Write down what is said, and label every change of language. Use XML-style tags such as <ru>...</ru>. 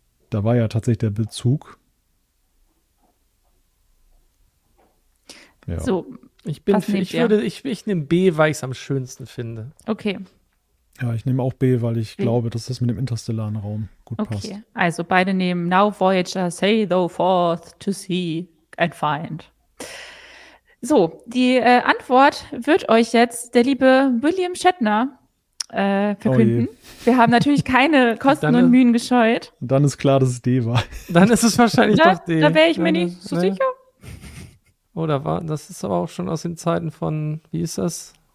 <de>Da war ja tatsächlich der Bezug. Ja. So, ich nehme B, weil ich es am schönsten finde. Okay. Ja, ich nehme auch B, weil ich glaube, dass das mit dem interstellaren Raum gut passt. Okay, also beide nehmen</de> <en>Now Voyager, sail thou forth to seek and find.</en> <de>So, die Antwort wird euch jetzt der liebe William Shatner verkünden. Oh je. Wir haben natürlich keine Kosten und Mühen gescheut. Dann ist klar, dass es D war. Dann ist es wahrscheinlich doch D. Da wäre ich mir nicht so sicher. Oder war das ist aber auch schon aus den Zeiten von, wie ist das?</de>